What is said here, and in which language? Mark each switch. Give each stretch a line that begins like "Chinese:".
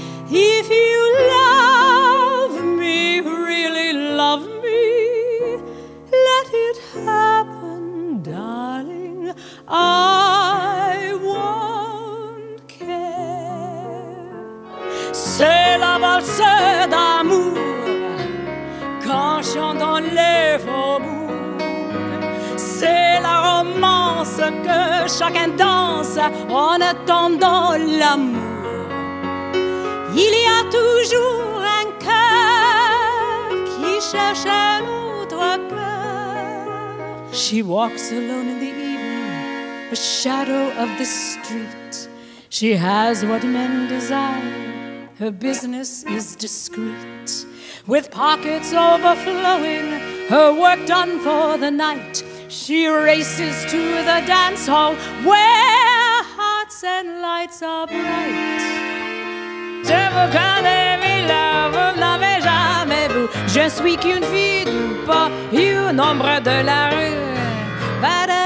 English: If you love me, really love me, let it happen, darling, I won't care.
French: C'est la valse d'amour, quand j'entends les faubourgs. C'est la romance que chacun danse en attendant l'amour. Il y a toujours un cœur qui cherche un autre cœur.
English: She walks alone in the evening, a shadow of the street. She has what men desire, her business is discreet. With pockets overflowing, her work done for the night, she races to the dance hall where hearts and lights are bright.
French: Je vous connais, Mila, vous n'avez jamais vu. Je suis qu'une fille du pas, une ombre de la rue.